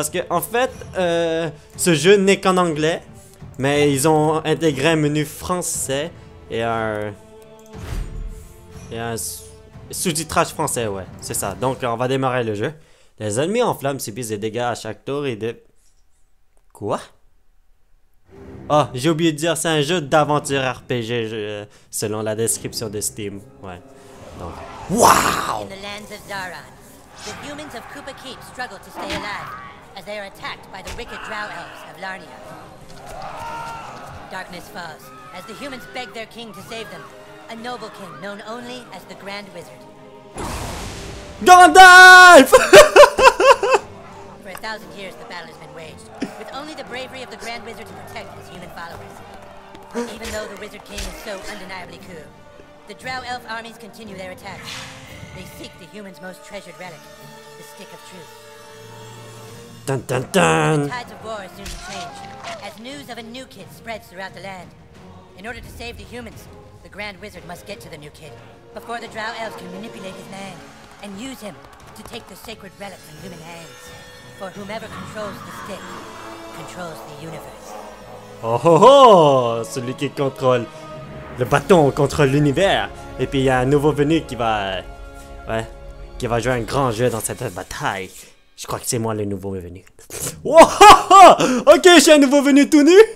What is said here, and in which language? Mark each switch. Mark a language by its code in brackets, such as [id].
[fr] Parce que en fait, ce jeu n'est qu'en anglais, mais ils ont intégré un menu français et un sous-titrage français, ouais, c'est ça. Donc, on va démarrer le jeu. Les ennemis en flamme subissent des dégâts à chaque tour et des... Quoi? Oh, j'ai oublié de dire, c'est un jeu d'aventure RPG, selon la description de Steam. Ouais. Donc. Wow! [en] In the lands of Dharan, the humans of Koopa Keep struggle to stay alive as they are attacked by the wicked drow elves of Larnia. Darkness falls as the humans beg their king to save them, a noble king known only as the Grand Wizard. Gandalf! For a thousand years, the battle has been waged. Only the bravery of the Grand Wizard to protect his human followers. Even though the Wizard King is so undeniably cool, the Drow Elf armies continue their attacks. They seek the human's most treasured relic, the Stick of Truth. Dun dun dun! The tides of war are soon to change, as news of a new kid spreads throughout the land. In order to save the humans, the Grand Wizard must get to the new kid, before the Drow Elves can manipulate his land, and use him to take the sacred relic from human hands. For whomever controls the stick, controls the universe. [fr] Oh, celui qui contrôle le bâton contrôle l'univers. Et puis il y a un nouveau venu qui va, ouais, qui va jouer un grand jeu dans cette bataille. Je crois que c'est moi le nouveau venu. Wow, ok, j'ai un nouveau venu tout nu.